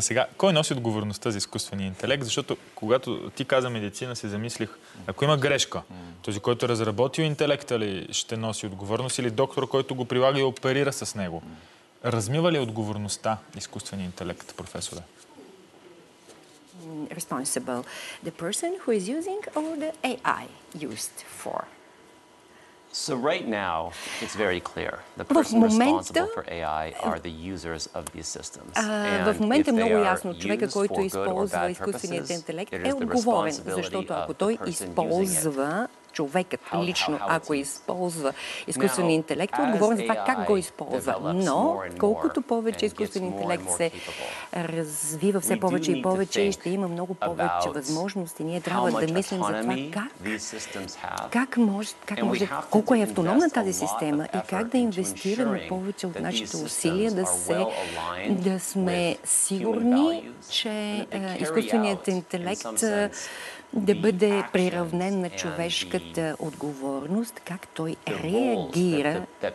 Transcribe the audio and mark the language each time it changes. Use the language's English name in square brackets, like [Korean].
[Bulgarian] Сега, кой носи отговорността за изкуствения интелект? Защото, когато ти каза медицина, се замислих, ако има грешка, този, който е разработил интелекта ли, ще носи отговорност или доктор, който го прилага и оперира с него? Размива ли отговорността изкуствения интелект, професоре? [English] Responsible. The person who is using or the AI used for? So right now it's very clear. The person responsible for AI are the users of these systems. [Bulgarian] В момента много ясно, човека, който използва изкуствения интелект, е отговорен, защото ако той използва човекът лично, ако използва изкуствен интелект, отговорен за това как го използва. Но колкото повече изкуствен интелект се развива все повече и повече, и ще има много повече възможности, ние трябва да мислим за това как може, колко е автономна тази система и как да инвестираме повече от нашите усилия да сме сигурни, че изкуственият интелект да бъде приравнен на човешката отговорност, как той реагира.